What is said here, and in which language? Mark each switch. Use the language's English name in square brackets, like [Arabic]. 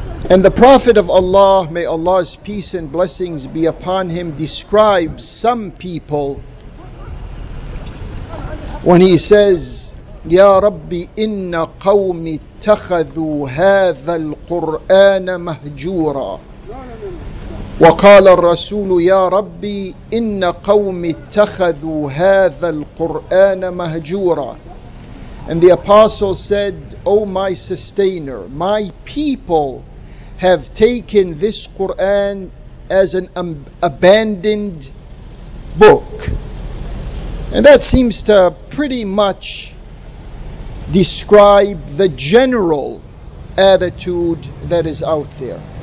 [English] And the Prophet of Allah, may Allah's peace and blessings be upon him, describes some people when he says, [Arabic] Ya Rabbi, inna qawmi takhadhu hadha al-Qur'an mahjura. وقال الرسول يا ربي إن قومي اتخذوا هذا القرآن مهجورا. [English] And the apostle said, O my sustainer, my people have taken this Quran as an abandoned book. And that seems to pretty much describe the general attitude that is out there.